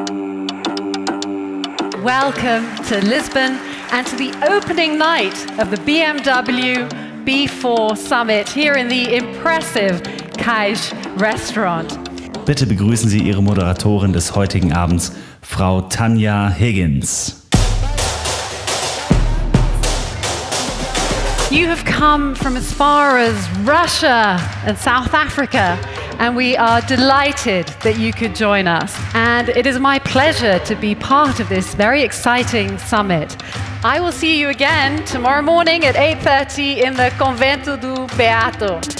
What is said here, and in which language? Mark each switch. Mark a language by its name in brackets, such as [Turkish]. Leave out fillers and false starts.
[English] Welcome to Lisbon and to the opening night of the BMW B4 Summit here in the impressive Kaij restaurant. [German] Bitte begrüßen Sie Ihre Moderatorin des heutigen Abends, Frau Tania Higgins. [English] You have come from as far as Russia and South Africa, and we are delighted that you could join us. And it is my pleasure to be part of this very exciting summit. I will see you again tomorrow morning at 8:30 in the Convento do Beato.